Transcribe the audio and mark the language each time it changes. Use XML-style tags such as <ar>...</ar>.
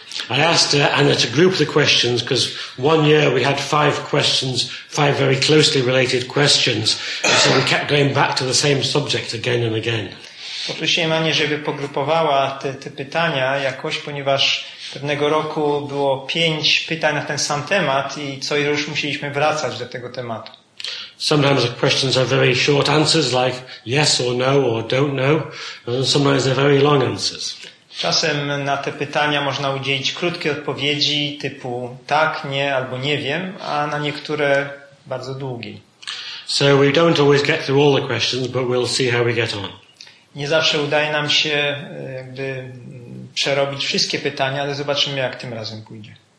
<en>I asked Anna to group the questions because one year we had five questions, five very closely related questions, and so we kept going back to the same subject again and again.</en> <pl>Poprosiłem Anię, żeby pogrupowała te pytania jakoś, ponieważ pewnego roku było pięć pytań na ten sam temat i co już musieliśmy wracać do tego tematu.</pl> <en>Sometimes the questions are very short answers, like yes or no or don't know, and sometimes they're very long answers.</en> <pl>Czasem na te pytania można udzielić krótkie odpowiedzi typu tak, nie albo nie wiem, a na niektóre bardzo długie.</pl> <en>So we don't always get through all the questions, but we'll see how we get on.</en> <pl>Nie zawsze udaje nam się jakby przerobić wszystkie pytania, ale zobaczymy, jak tym razem pójdzie.</pl>